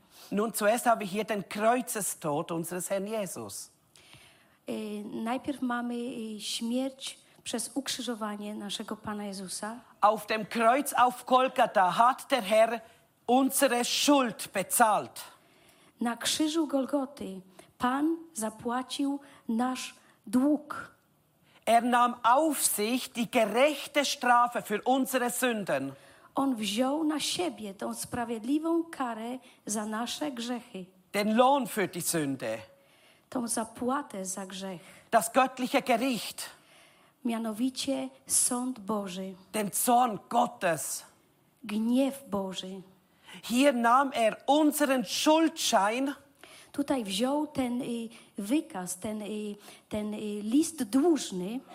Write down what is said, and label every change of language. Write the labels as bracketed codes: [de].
[de] Nun zuerst habe ich hier den Kreuzestod unseres Herrn Jesus. [pl] Najpierw mamy śmierć przez ukrzyżowanie naszego Pana Jezusa. [de] Auf dem Kreuz auf Golgatha hat der Herr unsere Schuld bezahlt. [pl] Na krzyżu Golgoty Pan zapłacił nasz dług. [de] Er nahm auf sich die gerechte Strafe für unsere Sünden. [pl] On wziął na siebie tą sprawiedliwą karę za nasze grzechy. [de] Den Lohn für die Sünde. [pl] Tą zapłatę za grzech. [de] Das göttliche Gericht. [pl] Mianowicie sąd Boży. [de] Den Zorn Gottes. [pl] Gniew Boży. [de] Hier nahm er unseren Schuldschein. [pl] Tutaj wziął ten wykaz, ten list dłużny.